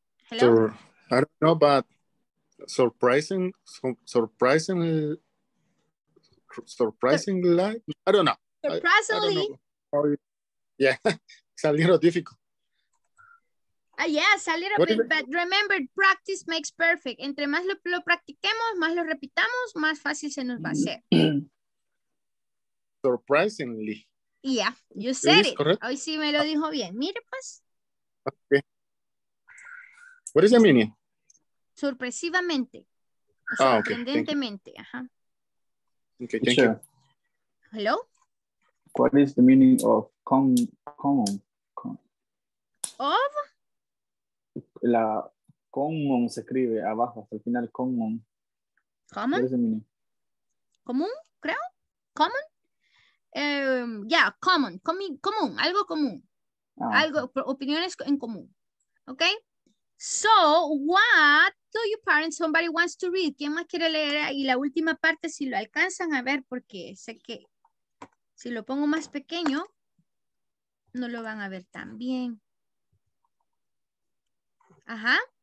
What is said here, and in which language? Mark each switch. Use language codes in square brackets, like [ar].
[en] Hello? I don't know, but surprisingly, I don't know. Surprisingly? Yeah, it's a little difficult. Yes, a little bit, but remember, practice makes perfect. [es] Entre más lo practiquemos, más lo repitamos, más fácil se nos va a hacer. [en] Surprisingly. Yeah, you said it. Correct? [es] Hoy sí me lo dijo bien. Mire, pues. [en] Okay. What is the meaning? [es] Sorpresivamente. Sorprendentemente. [en] Okay. Ajá. Okay, thank you. Hello? What is the meaning of common? Of? [es] La common se escribe abajo, hasta el final, common. [en] Common? What is the meaning? [es] Común, creo. [en] Common? Yeah, common, [es] común, algo común, algo, opiniones en común, [en] okay? So, what do your parents, somebody wants to read? [es] ¿Quién más quiere leer ahí la última parte, si lo alcanzan a ver? Porque sé que si lo pongo más pequeño, no lo van a ver tan bien. Ajá.